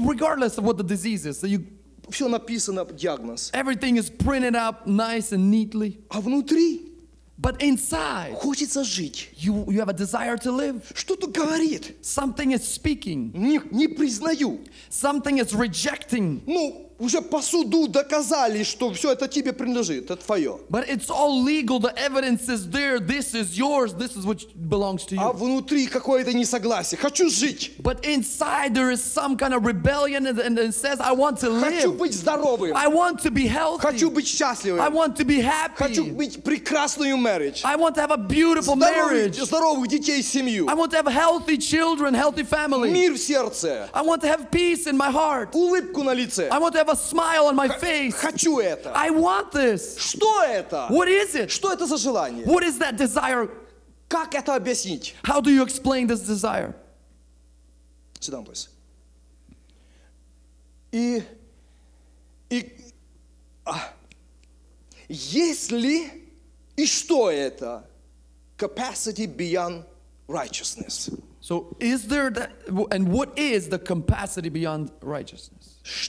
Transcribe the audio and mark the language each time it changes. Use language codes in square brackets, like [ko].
[en] Regardless of what the disease is. [ru] Все написано, диагноз. [en] Everything is printed up nice and neatly. [ru] А внутри? [en] But inside, [ru] хочется жить. [en] You have a desire to live. [ru] Что-то говорит. [en] Something is speaking. [ru] Не признаю. [en] Something is rejecting. [ru] Ну, уже по суду доказали, что все это тебе принадлежит, это твое. [en] But it's all legal. The evidence is there. This is yours. This is what belongs to you. [ru] А внутри какое-то несогласие. Хочу жить. [en] But inside there is some kind of rebellion and says, I want to live. [ru] Хочу быть здоровым. [en] I want to be healthy. [ru] Хочу быть счастливым. [en] I want to be happy. [ru] Хочу быть прекрасную marriage. [en] I want to have a beautiful marriage. [ru] Здоровых детей, семью. [en] I want to have healthy children, healthy family. [ru] Мир в сердце. [en] I want to have peace in my heart. [ru] Улыбку на лице. [en] I want have a smile on my face. I want this. What is it? [ru] Что это за желание? [en] What is that desire? [ru] Как это объяснить? [en] How do you explain this desire? Sit down, please. [ru] И есть ли и что это capacity beyond righteousness? [en] So is there that and what is the capacity beyond righteousness?